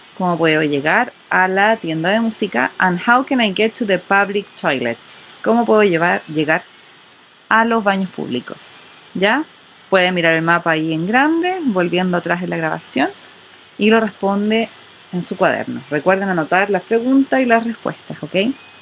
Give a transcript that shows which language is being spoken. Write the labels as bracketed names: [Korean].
[Spanish] ¿Cómo puedo llegar a la tienda de música? [English] And how can I get to the public toilets? [Spanish] ¿Cómo puedo llegar a los baños públicos? ¿Ya? Puede mirar el mapa ahí en grande, volviendo atrás en la grabación, y lo responde en su cuaderno. Recuerden anotar las preguntas y las respuestas, ¿ok?